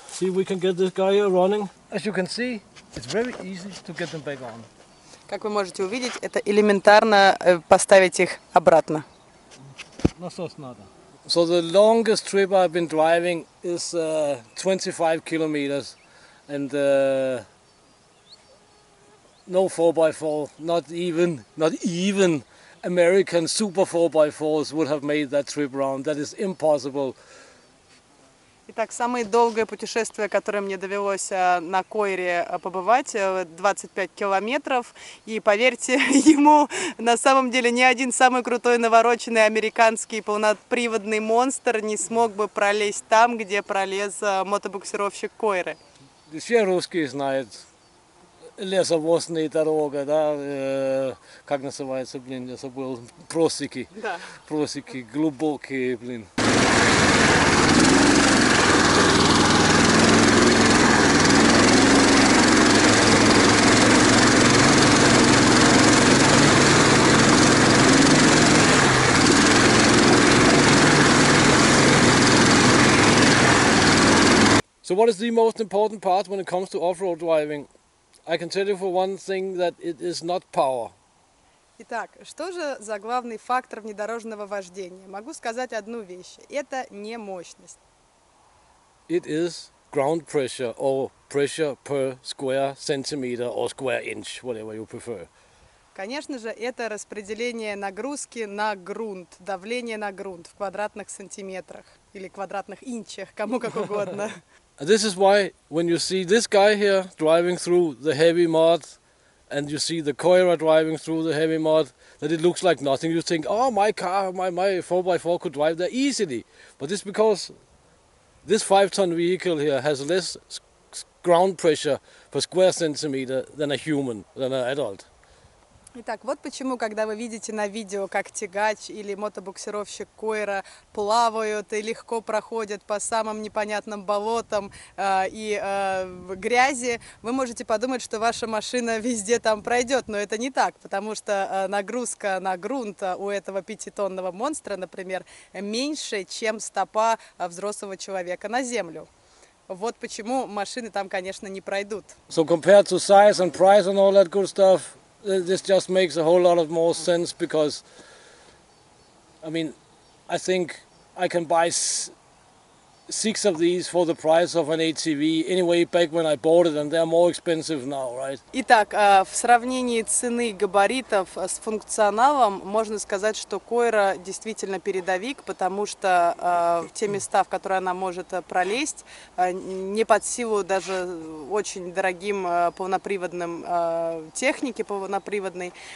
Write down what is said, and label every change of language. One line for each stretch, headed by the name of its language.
English: See if we can get this guy here running. As you can see, it's very easy to get them back on.
Russian: Как вы можете увидеть, это элементарно поставить их обратно. Насос надо.
English: So the longest trip I've been driving is 25 kilometers, and no 4x4, not even American super 4x4s would have made that trip round. That is impossible.
Russian: Итак, самое долгое путешествие, которое мне довелось на Койре побывать, 25 километров. И поверьте, ему на самом деле ни один самый крутой навороченный американский полноприводный монстр не смог бы пролезть там, где пролез мотобуксировщик Койры. Все русские знают лесовозные дороги, да, как называется, блин, я забыл, просеки, да. Просеки глубокие, блин.
English: So what is the most important part when it comes to off-road driving? I can tell you for one thing that it is not power.
Russian: Итак, что же за главный фактор внедорожного вождения? Могу сказать одну вещь. Это не мощность.
English: It is ground pressure or pressure per square centimeter or square inch, whatever you prefer.
Russian: Конечно же, это распределение нагрузки на грунт, давление на грунт в квадратных сантиметрах или квадратных инчах, кому как угодно.
English: This is why when you see this guy here driving through the heavy mud and you see the KOiRA driving through the heavy mud, that it looks like nothing. You think, oh, my car, my 4x4 could drive there easily. But it's because this 5-ton vehicle here has less ground pressure per square centimeter than a human, than an adult.
Russian: Итак, вот почему, когда вы видите на видео, как тягач или мотобуксировщик Койра плавают и легко проходят по самым непонятным болотам грязи, вы можете подумать, что ваша машина везде там пройдет, но это не так, потому что нагрузка на грунт у этого 5-тонного монстра, например, меньше, чем стопа взрослого человека на землю. Вот почему машины там, конечно, не пройдут.
English: So compared to size and price and all that good stuff, this just makes a whole lot of more sense because, I mean, I think I can buy six of these for the price of an ATV anyway back when I bought it, and they are more expensive now, right?
Russian: Итак, в сравнении цены габаритов с функционалом можно сказать, что KOiRA действительно передовик, потому что те места, в которые она может пролезть, не под силу даже очень дорогим полноприводным технике полноприводной.